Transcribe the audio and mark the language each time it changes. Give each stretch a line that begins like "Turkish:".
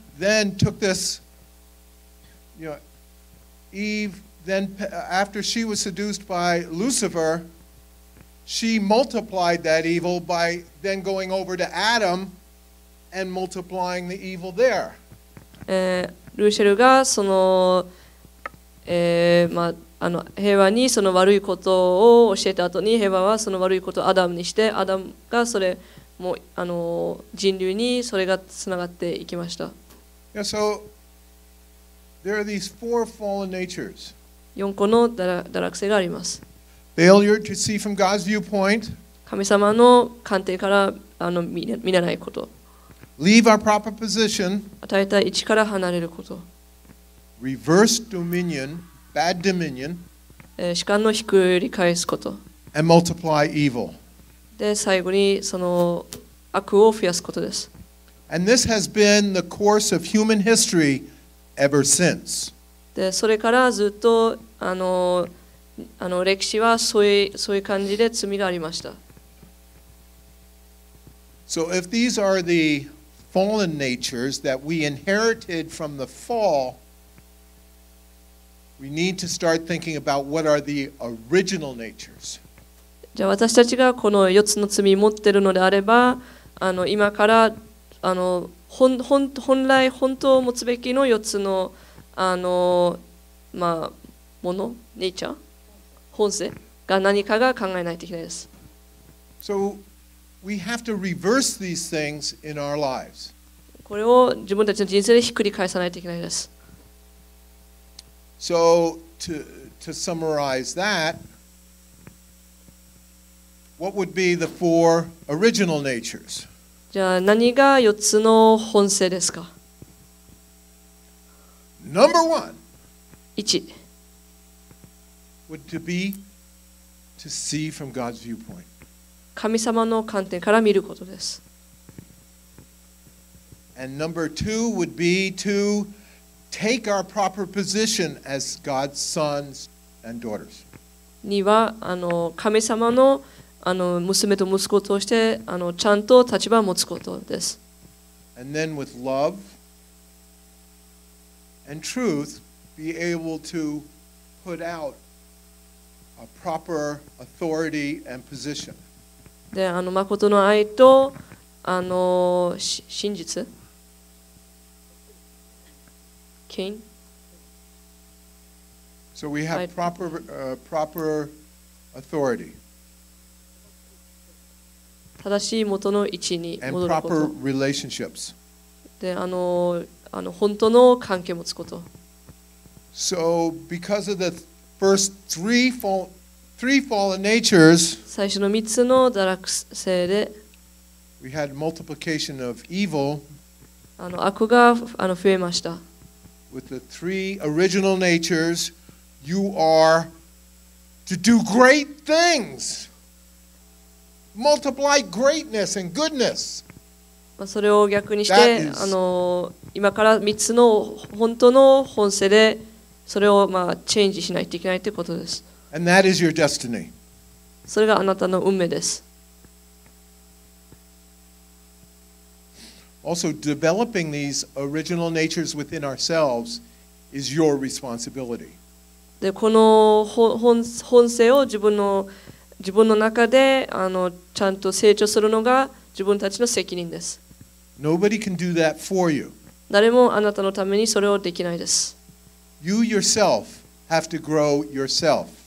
English: Then took this, you know, Eve, then after she was seduced by Lucifer, she multiplied that evil by then going over to Adam and multiplying the evil there.
Japanese: ルシェルがその、まあ、平和にその悪いことを教えた後に、平和はその悪いことをアダムにして、アダムがそれも人類にそれがつながっていきました。
English: Yeah, so there are these four fallen natures.
Japanese: 四個の堕落性があります。
English: Failure to see from God's viewpoint.
Japanese: 神様の観点から見れないこと。
English: Leave our proper position.
Japanese: 与えた位置から離れること。
English: Reverse dominion, bad dominion.
Japanese: 主観のひっくり返すこと。
English: And multiply evil.
Japanese: で、最後にその悪を増やすことです。
English: And this has been the course of human history ever since.
Japanese: で、それからずっと歴史はそういう感じで罪がありました。
English: So if these are the fallen natures that we inherited from the fall, we need to start thinking about what are the original natures.
Japanese: じゃあ私たちがこの4つの罪を持っているのであれば、今から本来本当を持つべきの4つの、まあ、もの、ネイチャー、本性が何かが考えないといけないです。
English: So, we have to reverse these things in our lives.
Japanese: これを自分たちの人生でひっくり返さないといけないです。
English: So, to summarize that, what would be the four original natures?
Japanese: じゃあ何が4つの本性ですか
English: Number one, 1 would to be to see from God's viewpoint.
Japanese: 神様の観点から見ることです。
English: And number two would be to take our proper position as God's sons and daughters.
Japanese: 2は神様の娘と息子としてちゃんと立場を持つことです。
English: And then with love and truth, be able to put out a proper authority and position.
Japanese: で、あの誠の愛と、あの、真実。権威。
English: So we have proper, proper authority.
Japanese: 正しい元の位置に戻ること。
English: And proper relationships.
Japanese: で、あの、あの本当の関係を持つこと。
English: So because of the first three fallen natures,
Japanese: 最初の3つの堕落性で、
English: we had multiplication of evil.
Japanese: あの悪が、あの増えました。
English: With the three original natures. You are to do great things. Multiply greatness and goodness.
Japanese: まあそれを逆にして、あの今から3つの本当の本性でそれをまあチェンジしないといけないということです。
English: And that is your destiny.
Japanese: それがあなたの運命です。
English: Also, developing these original natures within ourselves is your responsibility.
Japanese: でこの 本性を自分の中であのちゃんと成長するのが自分たちの責任です。
English: Nobody can do that for you.
Japanese: 誰もあなたのためにそれをできないです。
English: You yourself have to grow yourself.